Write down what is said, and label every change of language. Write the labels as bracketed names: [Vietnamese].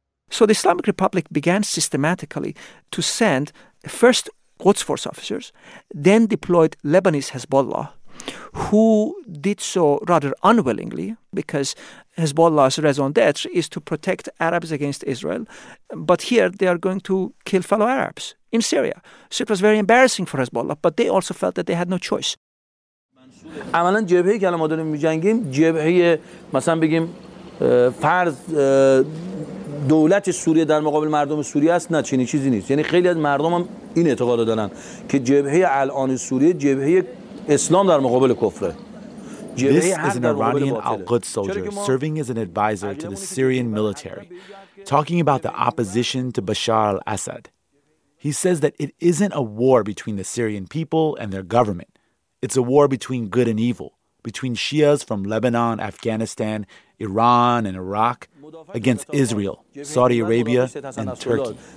[English] So the Islamic Republic began systematically to send first Quds Force officers, then deployed Lebanese Hezbollah, who did so rather unwillingly because Hezbollah's raison d'etre is to protect Arabs against Israel. But here they are going to kill fellow Arabs in Syria. So it was very embarrassing for Hezbollah, but they also felt that they had no choice. [Persian] عملاً جبهه‌ای که الان ما داریم می‌جنگیم جبهه‌ای مثلا بگیم فرض دولت سوریه در مقابل مردم سوریه است نه چنین چیزی نیست یعنی خیلی از مردم هم این اعتقاد دارن که جبهه الان سوریه جبهه اسلام در مقابل کفره [English] This is an Iranian al-Quds soldier serving as an advisor to the Syrian military talking about the opposition to Bashar al-Assad. He says that it isn't a war between the Syrian people and their government. It's a war between good and evil, between Shias from Lebanon, Afghanistan, Iran, and Iraq, against Israel, Saudi Arabia, and Turkey.